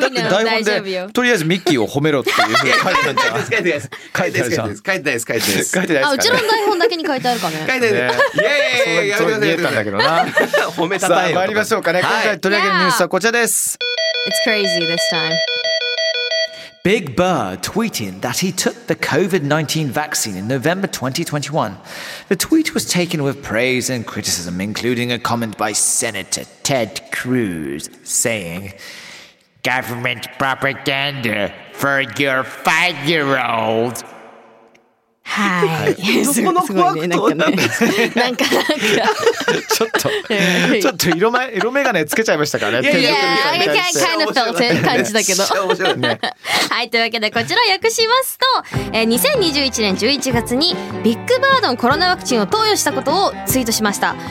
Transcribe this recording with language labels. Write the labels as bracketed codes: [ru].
[ja] だって台本で、とりあえずミッキーを褒めろっていうふうに書いてあるじゃん。書いてないです。書いてないです。書いてないです。書いてないです。あ、うちの台本だけに書いてあるかね。書いてないです。イェーイ、そういうふうに見えたんだけどな。褒めたたえよ。さあ、参りましょうかね。今回取り上げるニュースはこちらです。 [en] It's crazy this time. Big Bird tweeting that he took the COVID-19 vaccine in November 2021. The tweet was taken with praise and criticism, including a comment by Senator Ted Cruz saying, government propaganda for your five-year-old. [ja] はい、どこの怖くとなんかなんかちょっとちょっと色眼鏡つけちゃいましたからね。いやいやいや、カイナフトの感じだけど。はい、というわけでこちらを訳しますと、2021年11月にビッグバードのコロナワクチンを投与したことをツイートしました。